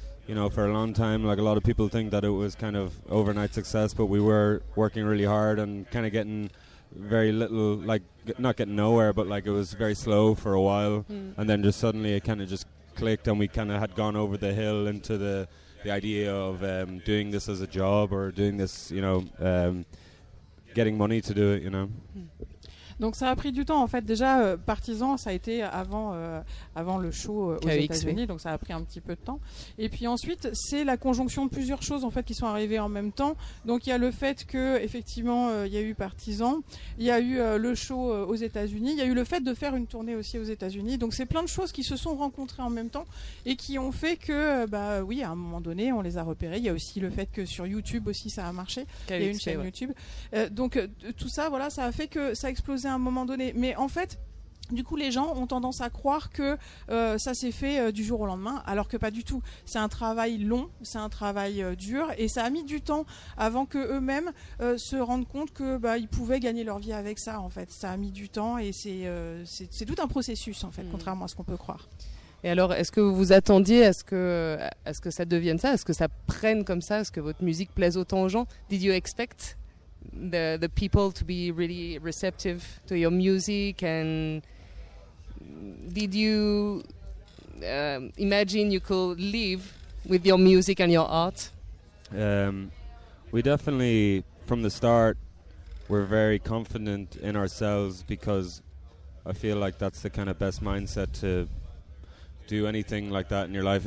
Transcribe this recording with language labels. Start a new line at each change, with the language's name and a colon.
English: You know, for a long time, like a lot of people think that it was kind of overnight success, but we were working really hard and kind of getting very little, like not getting nowhere, but like it was very slow for a while. Mm. And then just suddenly it kind of just clicked and we kind of had gone over the hill into the idea of doing this as a job or doing this, you know, getting money to do it, you know. Mm.
French: Donc ça a pris du temps en fait. Déjà Partisan, ça a été avant le show aux États-Unis, donc ça a pris un petit peu de temps. Et puis ensuite, c'est la conjonction de plusieurs choses en fait qui sont arrivées en même temps. Donc il y a le fait que effectivement il y a eu Partisan, il y a eu le show aux États-Unis, il y a eu le fait de faire une tournée aussi aux États-Unis. Donc c'est plein de choses qui se sont rencontrées en même temps et qui ont fait que à un moment donné, on les a repérés. Il y a aussi le fait que sur YouTube aussi ça a marché. Il y a une chaîne YouTube. Donc tout ça, voilà, ça a fait que ça a explosé à un moment donné. Mais en fait, du coup, les gens ont tendance à croire que ça s'est fait du jour au lendemain, alors que pas du tout. C'est un travail long, c'est un travail dur, et ça a mis du temps avant que eux-mêmes se rendent compte que bah ils pouvaient gagner leur vie avec ça. En fait, ça a mis du temps, et c'est tout un processus en fait, contrairement à ce qu'on peut croire. Et alors, est-ce que vous vous attendiez à ce que ça devienne ça, à ce que ça prenne comme ça, à ce que votre musique plaise autant aux gens?
English: Did you expect the people to be really receptive to your music, and did you imagine you could live with your music and your art? We definitely, from the start, were very confident in ourselves, because I feel like that's the kind of best mindset to do anything like that in your life.